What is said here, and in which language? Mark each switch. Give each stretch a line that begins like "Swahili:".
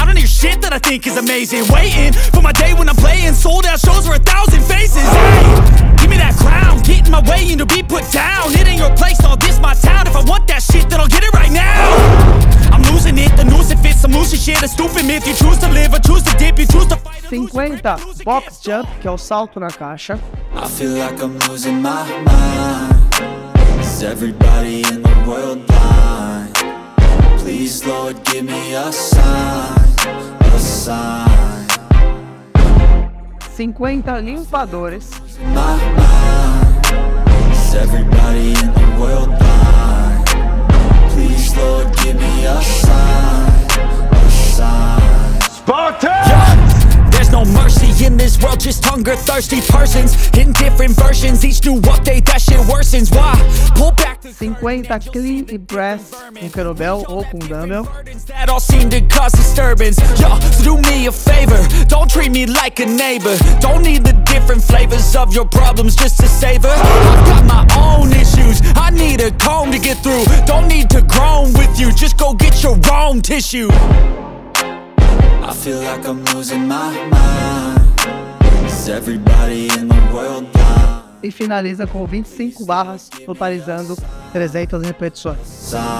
English: I don't hear shit that I think is amazing. Waiting for my day when I'm playing sold out shows for 1,000 faces. Hey, give me that crown. Get in my way and you'll be put down. It ain't your place, no, this my town. If I want that shit, then I'll get it right now. I'm losing it, the noose it fits. I'm losing shit, a stupid myth. You choose to live or choose to dip. You choose to fight.
Portuguese: 50, box jump, que é o salto na caixa.
English: I feel like I'm losing my mind. Is everybody in the world blind? Please, Lord, give me a sign. A sign.
Portuguese: 50 limpadores.
English: My mind. Is everybody in the world blind? Please, Lord, give me a sign. A sign. Sparta! No mercy in this world, just hunger-thirsty persons in different versions. Each new update, that shit worsens. Why? Pull back the
Portuguese: 50 clean and breath com kettlebell ou com dumbbell.
English: That all seem to cause disturbance. Yo, do me a favor, don't treat me like a neighbor. Don't need the different flavors of your problems just to savor. I've got my own issues, I need a comb to get through. Don't need to groan with you, just go get your wrong tissue. I feel like I'm losing my mind. Is everybody in the world blind?
Portuguese: E finaliza com 25 barras, totalizando 300 repetições.